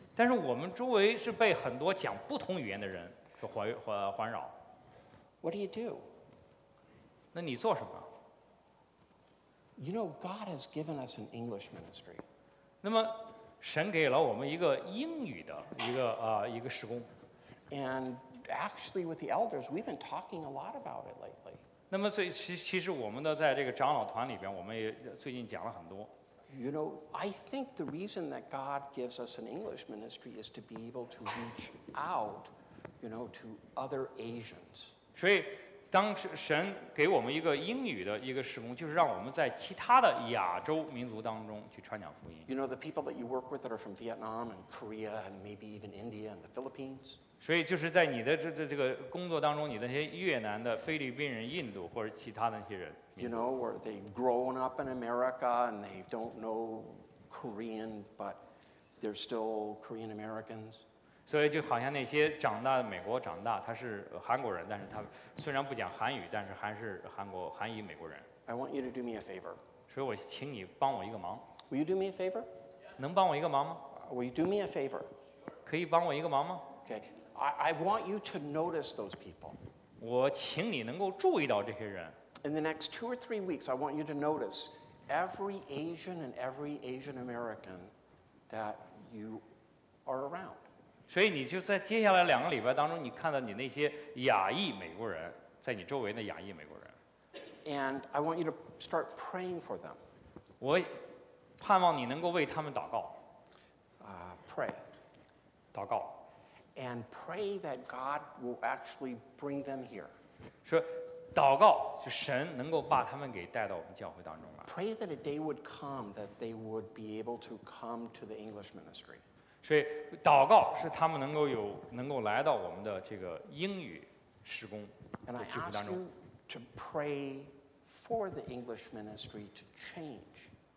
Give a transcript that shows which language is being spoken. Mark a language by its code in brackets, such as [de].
[zh] 但是我们周围是被很多讲不同语言的人环绕。 [en] What do you do? [zh] 那你做什么？ [en] You know, God has given us an English ministry. [zh] 那么神给了我们一个英语的一个事工。 [en] And actually with the elders, we've been talking a lot about it lately. [zh] 那么所以其实我们的在这个长老团里边我们也最近讲了很多。 [en] You know, I think the reason that God gives us an English ministry is to be able to reach out, you know, to other Asians. [zh] 所以当神给我们一个英语的一个事工，就是让我们在其他的亚洲民族当中去传讲福音。 [en] You know, the people that you work with that are from Vietnam and Korea and maybe even India and the Philippines. [zh] 所以就是在你的这个工作当中，你的那些越南的、菲律宾人、印度或者其他的那些人。 [en] You know, where they've grown up in America and they don't know Korean, but they're still Korean Americans. [zh] 所以就好像那些长大美国长大，他是韩国人，但是他虽然不讲韩语，但是还是韩裔美国人。 [en] I want you to do me a favor. [zh] 所以我请你帮我一个忙。 [en] Will you do me a favor? [zh] 能帮我一个忙吗？ [en] Will you do me a favor? [zh] 可以帮我一个忙吗？ [en] Okay. I want you to notice those people. [zh] 我请你能够注意到这些人。 [en] In the next two or three weeks, I want you to notice every Asian and every Asian American that you are around. [zh] 所以你就在接下来两个礼拜当中，你看到你那些亚裔美国人，在你周围的亚裔美国人。 [en] And I want you to start praying for them. [zh] 我盼望你能够为他们祷告。 [en] Pray. [zh] 祷告。 [en] And pray that God will actually bring them here. [zh] 说。祷告，就神能够把他们给带到我们教会当中来。 [en] Pray that a day would come that they would be able to come to the English ministry. [zh] 所以祷告是他们能够来到我们的这个英语施工的聚会当中。 [en] And I ask you to pray for the English ministry to change.